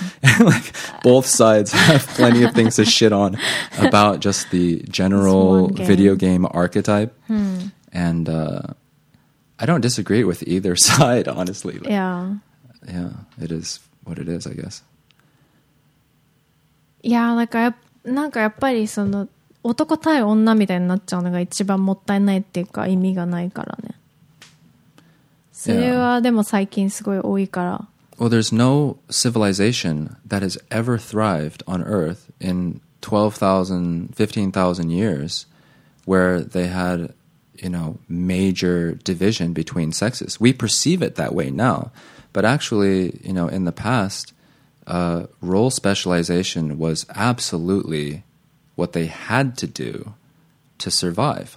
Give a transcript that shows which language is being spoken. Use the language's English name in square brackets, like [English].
[English] And like both sides have plenty of things to shit on about just the general video game archetype. Hmm. And I don't disagree with either side, honestly. Like, yeah. Yeah, it is what it is, I guess. Yeah, like, [Japanese] なんかやっぱりその男対女みたいになっちゃうのが一番もったいないっていうか意味がないからね。それはでも最近すごい多いから。 [English] Well, there's no civilization that has ever thrived on Earth in 15,000 years where they had, you know, major division between sexes. We perceive it that way now, but actually, you know, in the past, role specialization was absolutely what they had to do to survive.